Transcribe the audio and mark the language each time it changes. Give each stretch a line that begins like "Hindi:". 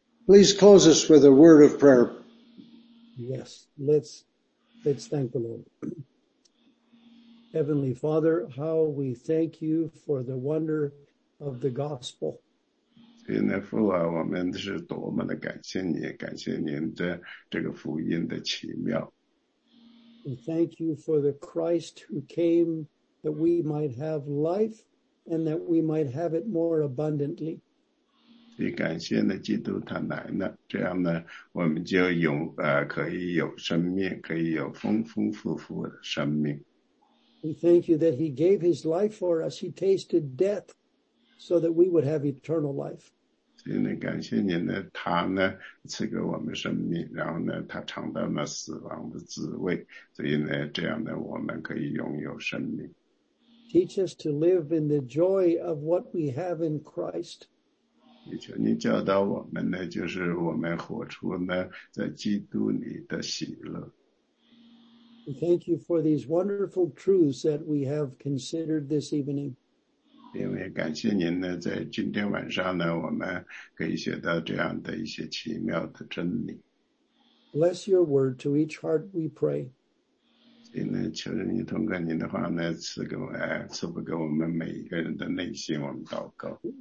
English: Please close us with a word of prayer. Yes, let's thank the Lord. Heavenly Father, how we thank you for the wonder of the gospel.
Chinese: 所以呢，父啊，我们是多么的感谢你，感谢您的这个福音的奇妙。
English: We thank you for the Christ who came that we might have life and that we might have it more abundantly.
Chinese: 所以感谢呢，基督他来了，这样呢，我们就有可以有生命，可以有丰丰富富的生命。
English: We thank you that he gave his life for us. He tasted death. So that we would have eternal life.
Chinese: 真的感谢您呢，他呢赐给我们生命，然后呢他尝到了死亡的滋味，所以呢这样呢我们可以拥有生命。
English: Teach us to live in the joy of what we have in Christ.
Chinese: 也求您教导我们呢，就是我们活出呢在基督里的喜乐。
English: We thank you for these wonderful truths that we have considered this evening.
Chinese: 因为感谢您呢，在今天晚上呢，我们可以学到这样的一些奇妙的真理。
English: Bless your word to each heart, we pray.
Chinese: 所以呢，求着您通过您的话呢，赐福给我们每一个人的内心，我们祷告。